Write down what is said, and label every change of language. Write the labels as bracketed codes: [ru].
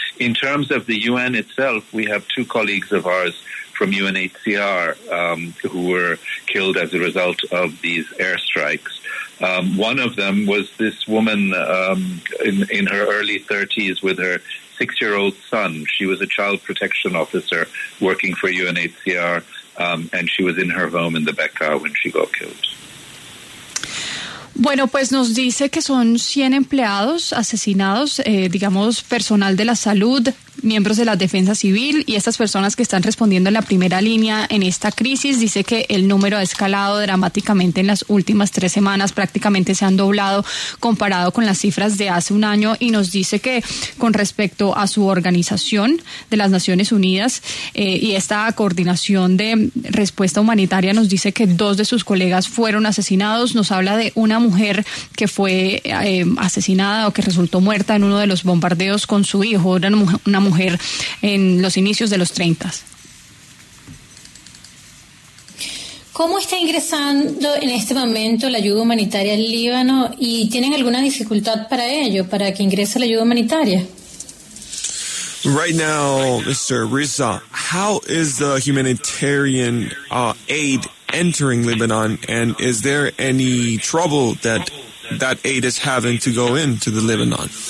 [en] In terms of the UN itself, we have two colleagues of ours from UNHCR who were killed as a result of these airstrikes. One of them was this woman in her early 30s with her six-year-old son. She was a child protection officer working for UNHCR, and she was in her home in the Bekaa when she got killed. [es] Bueno, pues nos dice que son 100 empleados asesinados, digamos, personal de la salud, miembros de la defensa civil y estas personas que están respondiendo en la primera línea en esta crisis. Dice que el número ha escalado dramáticamente en las últimas 3 semanas, prácticamente se han doblado comparado con las cifras de hace un año, y nos dice que con respecto a su organización de las Naciones Unidas y esta coordinación de respuesta humanitaria, nos dice que dos de sus colegas fueron asesinados. Nos habla de una mujer que fue asesinada o que resultó muerta en uno de los bombardeos con su hijo, una mujer en los inicios de los 30. ¿Cómo está ingresando en este momento la ayuda humanitaria al Líbano y tienen alguna dificultad para ello, para que ingrese la ayuda humanitaria? [en] Right now, Mr. Risa, how is the humanitarian aid entering Lebanon, and is there any trouble that aid is having to go into the Lebanon?